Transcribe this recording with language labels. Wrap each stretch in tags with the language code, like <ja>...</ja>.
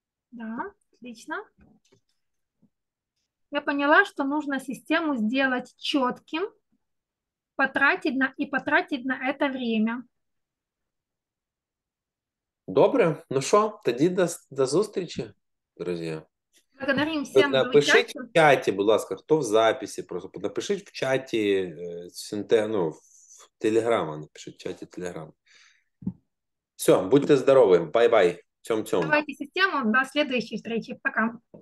<ru>Да, отлично. Я поняла, что нужно систему сделать четким, потратить на это время.</ru> <uk>Добре,</uk> <ru>ну что,</ru> <uk>тоді до зустрічі,</uk> <ru>друзья. Благодарим всем за напишите в чате,</ru> <uk>будь ласка,</uk> <ru>кто в записи, просто напишите в чате в телеграма, напишите в чате телеграма. Все, будьте здоровы, бай-бай. Тем. Давайте систему до следующей встречи. Пока.</ru>